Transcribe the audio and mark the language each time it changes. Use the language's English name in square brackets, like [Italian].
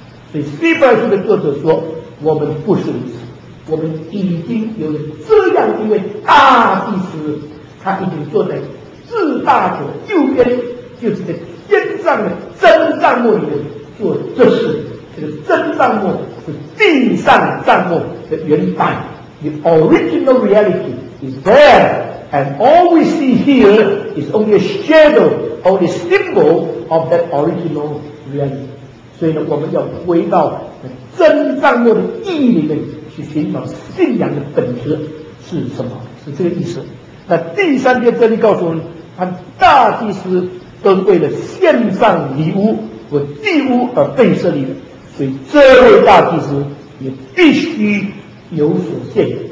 [Chinese] 所以希伯来书的作者说，我们不是如此，我们已经有了这样一位大祭司，他已经坐在至大者右边，就是在天上的真帐幕里面做这事。这个真帐幕是地上帐幕的原版， [English] The original reality is there and all we see here is only a shadow or the symbol of that original reality。 [Chinese] 所以呢，我们要回到真帐幕的意义里面去寻找信仰的本质是什么，是这个意思。那第三节这里告诉我们，他大祭司都为了献上礼物和祭物而被设立的，所以这位大祭司也必须有所献。